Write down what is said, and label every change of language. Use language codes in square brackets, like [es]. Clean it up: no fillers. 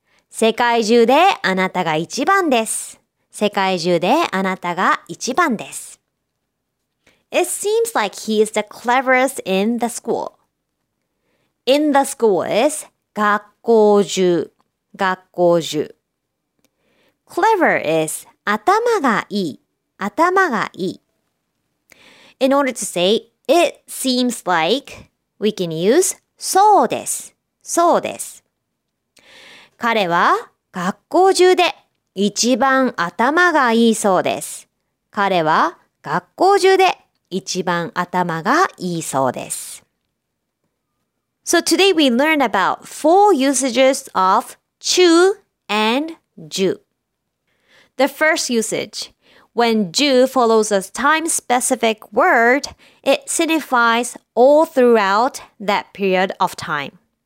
[ja] 世界中であなたが一番です。世界中であなたが一番です。 [en] It seems like he is the cleverest in the school. In the school is [ja] 学校中。学校中。 [en] Clever is [ja] 頭がいい。頭がいい。 [en] In order to say, it seems like, we can use [ja] そうです。そうです。彼は学校中で一番頭がいいそうです。彼は学校中で一番頭がいいそうです。 [en] So today we learn about four usages of 中 and 中. The first usage, when 中 follows a time-specific word, it signifies all throughout that period of time.